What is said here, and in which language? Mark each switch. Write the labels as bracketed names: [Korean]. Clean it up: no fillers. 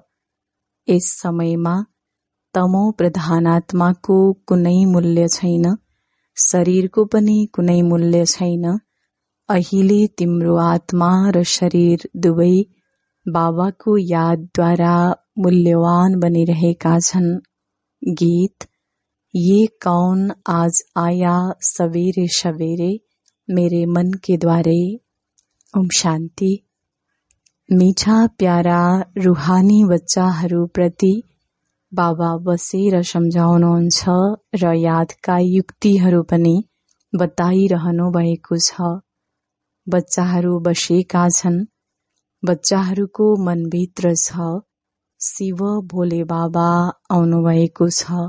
[Nepali] यस समयमा तमो प्रधानात्माको कुनै मूल्य छैन, शरीरको पनि कुनै मूल्य छैन। अहिले तिम्रो आत्मा र शरीर दुवै बाबाको यादद्वारा मूल्यवान बनिरहेका छन्। [Hindi] गीत: ये कौन आज आया सवेरे सवेरे मेरे मन के द्वारे। [Nepali] ओम शांति। मीठा प्यारा रूहानी बच्चाहरू प्रति बाबा बसेर सम्झाउनुहुन्छ र यादका युक्तिहरू पनि बताइरहनु भएको छ। बच्चाहरू बसेका छन्, बच्चाहरूको मनभित्र छ शिव भोले बाबा आउनुभएको छ।